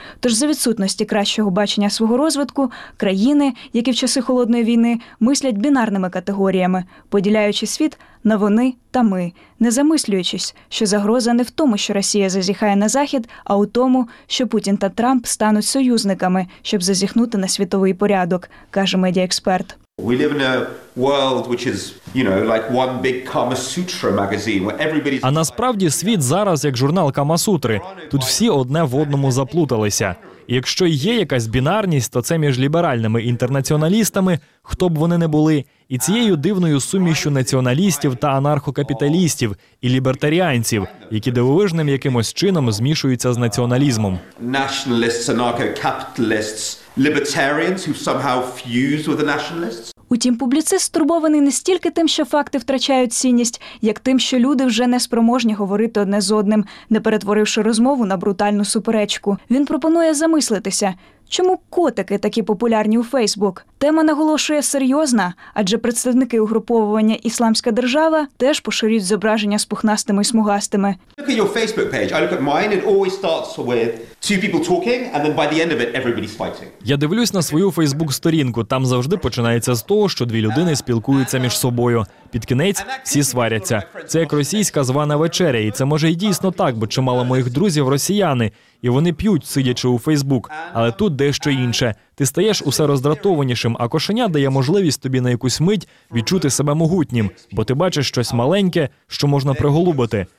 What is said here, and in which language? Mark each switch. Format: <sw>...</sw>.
<uk>Тож за відсутності кращого бачення свого розвитку, країни, які в часи Холодної війни, мислять бінарними категоріями, поділяючи світ на вони та ми, не замислюючись, що загроза не в тому, що Росія зазіхає на Захід, а у тому, що Путін та Трамп стануть союзниками, щоб зазіхнути на світовий порядок, каже медіаексперт.</uk> <en>We live in a world which is, you know, like one big Kama Sutra magazine where everybody's.</en> <uk>А насправді світ зараз як журнал Кама Сутри. Тут всі одне в одному заплуталися. І якщо є якась бінарність, то це між ліберальними інтернаціоналістами, хто б вони не були, і цією дивною сумішю націоналістів та анархокапіталістів і лібертаріанців, які дивовижним якимось чином змішуються з націоналізмом.</uk> <en>Nationalists, anarcho-capitalists, libertarians who somehow fuse with the nationalists.</en> <uk>Утім, публіцист стурбований не стільки тим, що факти втрачають цінність, як тим, що люди вже не спроможні говорити одне з одним, не перетворивши розмову на брутальну суперечку. Він пропонує замислитися, чому котики такі популярні у Фейсбук? Тема, наголошує, серйозна, адже представники угруповування «Ісламська держава» теж поширюють зображення з пухнастими і смугастими.</uk> <en>Look at your Facebook page. I look at mine, it always starts with two people talking, and then by the end of it everybody's fighting.</en> <uk>Я дивлюсь на свою Фейсбук-сторінку. Там завжди починається з того, що дві людини спілкуються між собою. Під кінець всі сваряться. Це як російська звана вечеря, і це може й дійсно так, бо чимало моїх друзів росіяни, і вони п'ють, сидячи у Фейсбук. Але тут дещо інше. Ти стаєш усе роздратованішим, а кошеня дає можливість тобі на якусь мить відчути себе могутнім, бо ти бачиш щось маленьке, що можна приголубити.</uk>